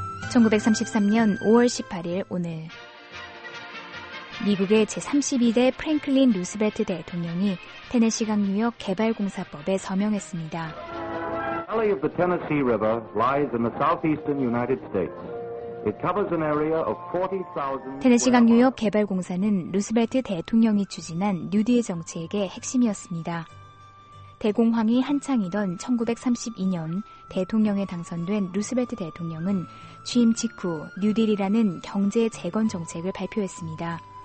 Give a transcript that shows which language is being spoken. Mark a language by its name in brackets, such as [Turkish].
[Korean] 1933년 5월 18일 오늘 미국의 제32대 프랭클린 루스벨트 대통령이 테네시 강 유역 개발 공사법에 서명했습니다. [English] The valley of the Tennessee River lies in the southeastern United States. It covers an area of 40,000. [Korean] 테네시 강 유역 개발 공사는 루스벨트 대통령이 추진한 뉴딜 정책의 핵심이었습니다. 대공황이 한창이던 1932년 대통령에 당선된 루스벨트 대통령은 취임 직후 뉴딜이라는 경제 재건 정책을 발표했습니다.